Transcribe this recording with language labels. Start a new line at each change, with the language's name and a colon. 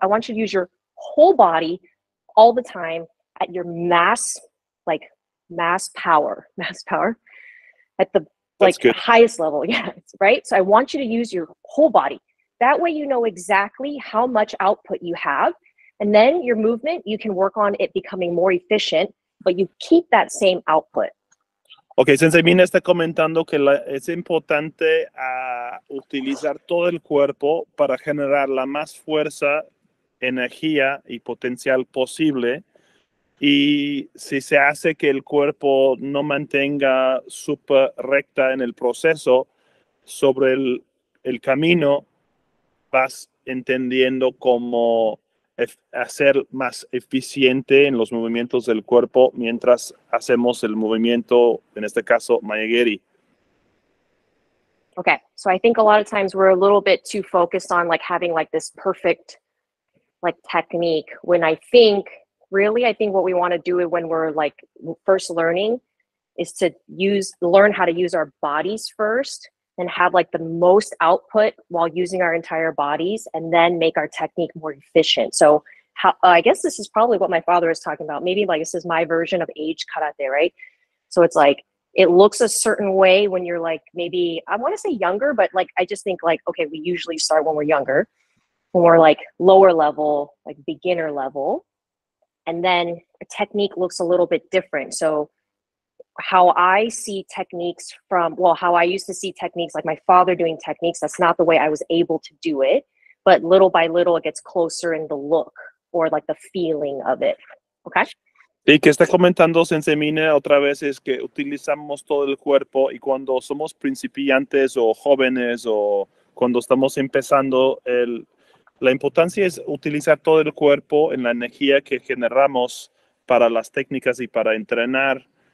English: I want you to use your whole body all the time at your mass, like mass power at the like highest level. Yeah, right? So I want you to use your whole body. That way you know exactly how much output you have. And then your movement, you can work on it becoming more efficient, but you keep that same output.
Spanish: Okay, Sensei Mina está comentando que es importante utilizar todo el cuerpo para generar la más fuerza, energía y potencial posible. Y si se hace que el cuerpo no mantenga súper recta en el proceso, sobre el camino vas entendiendo cómo hacer más eficiente en los movimientos del cuerpo mientras hacemos el movimiento, en este caso, Mayageri.
English: Okay, so I think a lot of times we're a little bit too focused on like having like this perfect like technique when I think, really, I think what we want to do when we're like first learning is to learn how to use our bodies first and have like the most output while using our entire bodies and then make our technique more efficient. So how, I guess this is probably what my father is talking about. Maybe like this is my version of age karate, right? So it's like, it looks a certain way when you're like, maybe I want to say younger, but like, I just think like, okay, we usually start when we're younger, when we're like lower level, like beginner level. And then a technique looks a little bit different. So how I see techniques from, well, how I used to see techniques, like my father doing techniques, that's not the way I was able to do it. But little by little, it gets closer in the look or like the feeling of it. Okay?
Spanish: Y que está comentando Sensei Mina otra vez es que utilizamos todo el cuerpo y cuando somos principiantes o jóvenes o cuando estamos empezando el... La importancia es utilizar todo el cuerpo en la energía que generamos para las técnicas y para entrenar.